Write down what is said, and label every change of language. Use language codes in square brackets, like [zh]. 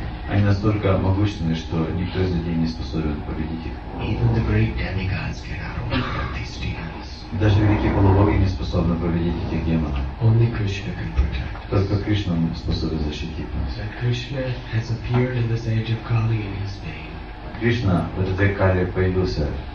[ru] Они настолько могущественны, что никто из людей не способен победить их. [en] Even the great demigods cannot overcome these demons. [ru] Даже великие полубоги не способны победить этих демонов. [en] Only Krishna can protect us. [ru] Только Кришна способен защитить нас. [en] And Krishna has appeared in this age of Kali in his name. [ru] Кришна в этой Кали появился.